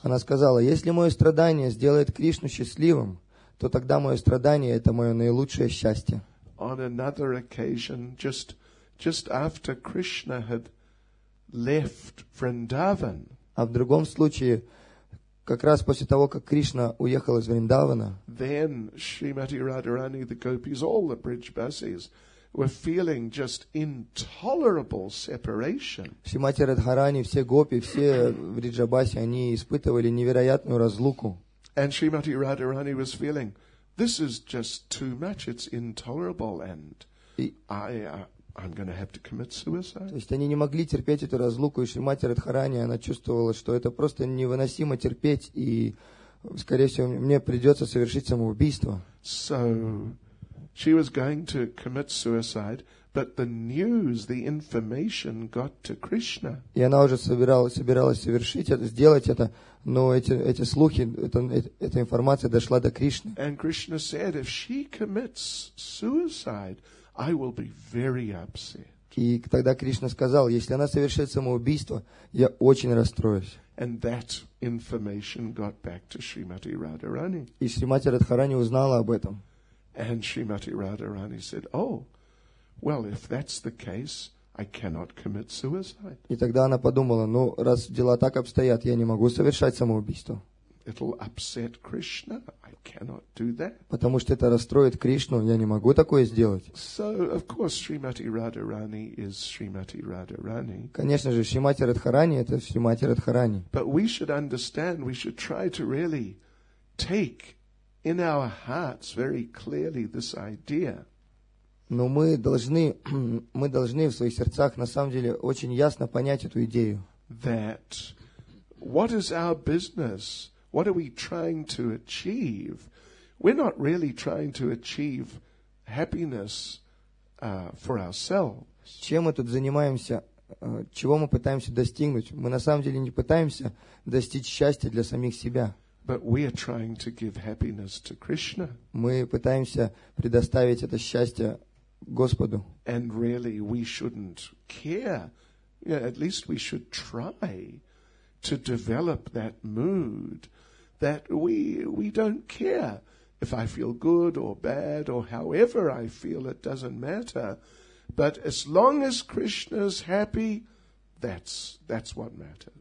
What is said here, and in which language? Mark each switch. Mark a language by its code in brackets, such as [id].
[ru] Она сказала, если мое страдание сделает Кришну счастливым, то тогда мое страдание — это мое наилучшее счастье. [en] On another occasion, just after Krishna had left Vrindavan, [ru] а в другом случае, как раз после того, как Кришна уехал из Вриндавана, [en] then Shrimati Radharani, the gopis, all the Brijbasis, were feeling just intolerable separation. [ru] Шримати Радхарани, все гопи, все вриджабаси, они испытывали невероятную разлуку. [en] And Shrimati Radharani was feeling, this is just too much, it's intolerable, and I'm going to have to commit suicide. [ru] То есть они не могли терпеть эту разлуку, и Шримати Радхарани, она чувствовала, что это просто невыносимо терпеть, и, скорее всего, мне придется совершить самоубийство. [en] So, she was going to commit suicide, but the news, the information got to Krishna. [ru] И она уже собиралась совершить это, сделать это, но эти слухи, эта информация дошла до Кришны. [en] And Krishna said, if she commits suicide, I will be very upset. [ru] И тогда Кришна сказал, если она совершит самоубийство, я очень расстроюсь. [en] And that information got back to Srimati Radharani. [ru] И Шримати Радхарани узнала об этом. [en] And Srimati Radharani said, "Oh, well, if that's the case, I cannot commit suicide." [ru] И тогда она подумала, ну раз дела так обстоят, я не могу совершать самоубийство. [en] It'll upset Krishna. I cannot do that. [ru] Потому что это расстроит Кришну, я не могу такое сделать. [en] So, of course, Srimati Radharani is Srimati Radharani. [ru] Конечно же, Шримати Радхарани это Шримати Радхарани. [en] But we should understand, we should try to really take in our hearts very clearly this idea. [ru] Но мы должны в своих сердцах на самом деле очень ясно понять эту идею. [en] That what is our business? What are we trying to achieve? We're not really trying to achieve happiness for ourselves. [ru] Чем мы тут занимаемся? Чего мы пытаемся достигнуть? Мы на самом деле не пытаемся достичь счастья для самих себя. [en] But we are trying to give happiness to Krishna. [ru] Мы пытаемся предоставить это счастье Господу. [en] And really, we shouldn't care. Yeah, at least we should try to develop that mood that we don't care if I feel good or bad or however I feel, it doesn't matter. But as long as Krishna's happy, that's what matters.